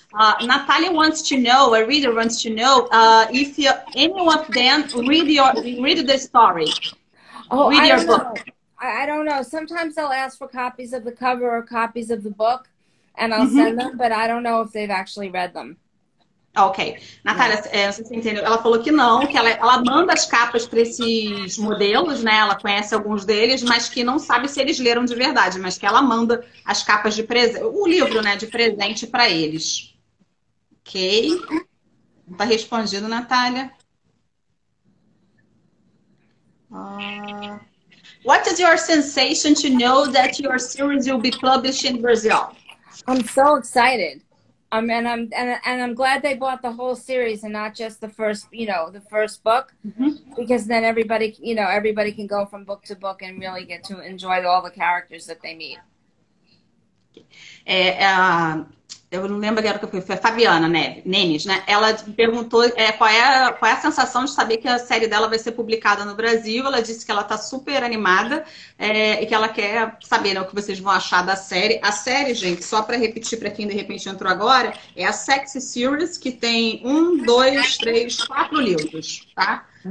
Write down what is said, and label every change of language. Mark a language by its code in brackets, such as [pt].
[en] Natalia wants to know, a reader wants to know, if you, any of them read the story. Oh, read your book. I don't know. Sometimes they'll ask for copies of the cover or copies of the book, and I'll mm-hmm. send them, but I don't know if they've actually read them. [pt] Ok. Natália, você entendeu? Ela falou que não, que ela manda as capas para esses modelos, né? Ela conhece alguns deles, mas que não sabe se eles leram de verdade, mas que ela manda as capas de presente, o livro, né, de presente para eles. Ok. Não tá respondido, Natália. [en] What is your sensation to know that your series will be published in Brazil? I'm so excited. I'm glad they bought the whole series and not just the first, you know, the first book, mm-hmm. because then everybody, you know, everybody can go from book to book and really get to enjoy all the characters that they meet. [pt] É, Eu não lembro agora que foi a Fabiana Nemes, né? Ela perguntou qual é a sensação de saber que a série dela vai ser publicada no Brasil. Ela disse que ela está super animada e que ela quer saber, né, o que vocês vão achar da série. A série, gente, só para repetir para quem de repente entrou agora, é a Sexy Series, que tem um, dois, três, quatro livros, tá?